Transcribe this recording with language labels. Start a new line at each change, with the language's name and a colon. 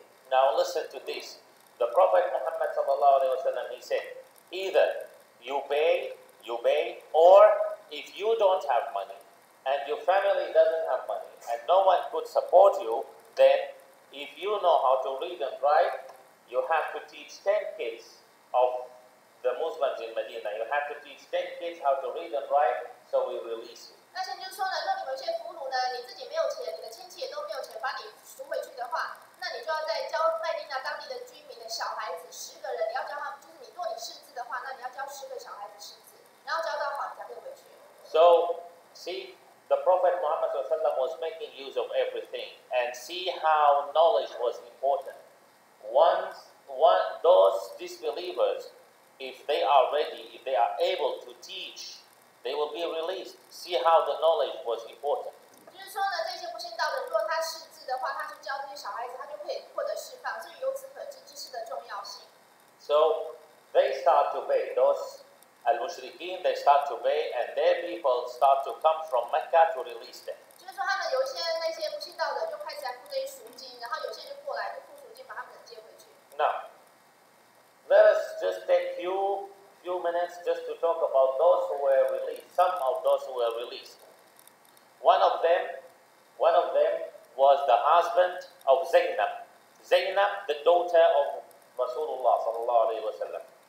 English: Now listen to this. The Prophet Muhammad sallallahu alayhi wa sallam, he said, either you pay, or if you don't have money, and your family doesn't have money, and no one could support you, then if you know how to read and write,You have to teach 10 kids of the Muslims in Medina. You have to teach 10 kids how to read and write, so we release you.
Chinese: 那先就说呢，若你们有些俘虏呢，你自己没有钱，你的亲戚也都没有钱把你赎回去的话，那你就要再教麦地那当地的居民的小孩子十个人，你要教他们，就是你若你识字的话，那你要教十个小孩子识字，然后教到好，你才可以回去。
English: So, see, the Prophet Muhammad SAW was making use of everything, and see how knowledge was important. Once those disbelievers, if they are ready, if they are able to teach, they will be released. See how the knowledge was important.
Chinese: 就是说呢，这些不信道的人，如果他识字的话，他去教这些小孩子，他就可以获得释放。所以由此可知，知识的重要性。
English: So they start to pay. Those al-mushrikeen, they start to pay, and their people start to come from Mecca to release them.
Chinese: 就是说，他们有些那些不信道的，就开始来付这些赎金，然后有些就过来就付赎金，把他们。
English: Now, let us just take few minutes just to talk about those who were released, some of those who were released. One of them was the husband of Zainab. Zainab, the daughter of Rasulullah sallallahu alayhi wa sallam.